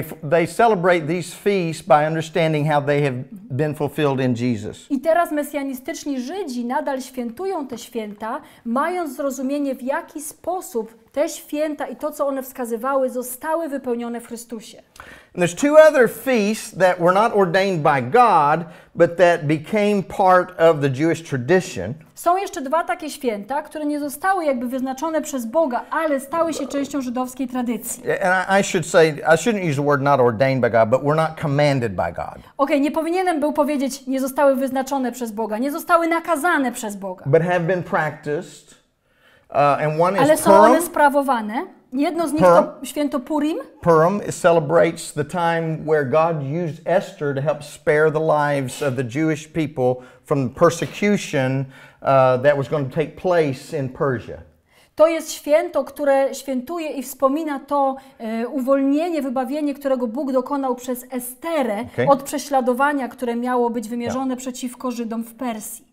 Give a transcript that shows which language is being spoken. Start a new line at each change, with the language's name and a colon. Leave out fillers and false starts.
English: They celebrate these feasts by understanding how they have been fulfilled in Jesus.
Polish: I teraz mesjanistyczni Żydzi nadal świętują te święta, mając zrozumienie, w jaki sposób te święta i to, co one wskazywały, zostały wypełnione w Chrystusie.
English: And there's two other feasts that were not ordained by God, but that became part of the Jewish tradition.
Polish: Są jeszcze dwa takie święta, które nie zostały jakby wyznaczone przez Boga, ale stały się częścią żydowskiej tradycji.
English: And I should say, I shouldn't use the word not ordained by God, but we're not commanded by God.
Polish: Okay, nie powinienem był powiedzieć, nie zostały wyznaczone przez Boga, nie zostały nakazane przez Boga.
English: But have been practiced. And one
Polish: ale
English: is
Polish: są
English: Purim.
Polish: One sprawowane. Jedno z nich Purim. To święto Purim.
English: Purim celebrates the time where God used Esther to help spare the lives of the Jewish people from the persecution that was going to take place in Persia.
Polish: To jest święto, które świętuje i wspomina to uwolnienie, wybawienie, którego Bóg dokonał przez Esterę okay. od prześladowania, które miało być wymierzone yeah. przeciwko Żydom w Persji.